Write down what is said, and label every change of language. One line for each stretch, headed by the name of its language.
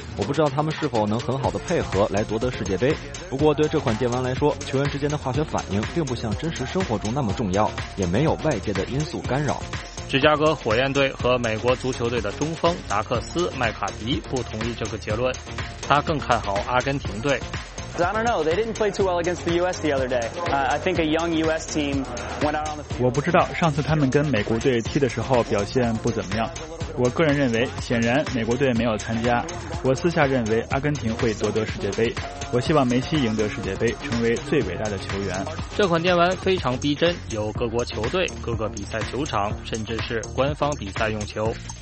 Chinese: 我不知道他们是否能很好的配合来夺得世界杯。不过对这款电玩来说，球员之间的化学反应并不像真实生活中那么重要，也没有外界的因素干扰。芝加哥火焰队和美国足球队的中锋达克斯·麦卡迪不同意这个结论，他更看好阿根廷队。
English: I don't know. They didn't play too well against the U.S. the other day. I think a young U.S. team went out on the field.
Chinese: 我不知道上次他们跟美国队踢的时候表现不怎么样。我个人认为，显然美国队没有参加。我私下认为阿根廷会夺得世界杯。我希望梅西赢得世界杯，成为最伟大的球员。这款电玩非常逼真，有各国球队、各个比赛球场，甚至是官方比赛用球。